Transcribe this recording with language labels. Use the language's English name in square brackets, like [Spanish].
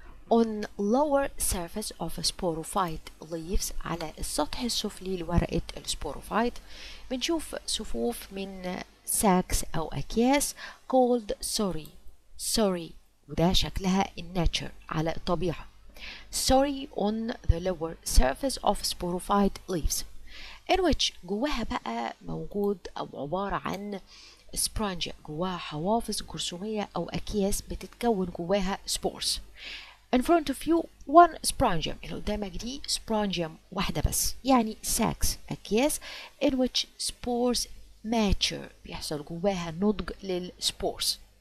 [English] On lower surface of sporophyte leaves [Arabic] على السطح السفلي لورقة السبوروفايت بنشوف صفوف من ساكس أو أكياس [English] called sori. [Arabic] Sori وده شكلها [English] in nature [Arabic] على الطبيعة. [English] Sori on the lower surface of sporophyte leaves. In which [Arabic] جواها بقى موجود أو عبارة عن سبرانجيا جواها حوافز جرثومية أو أكياس بتتكون جواها سبورس. [English] In front of you one sporangium [Arabic] اللي قدامك دي sporangium واحدة بس يعني ساكس أكياس [English] in which spores mature [Arabic] بيحصل جواها نضج للسبورس.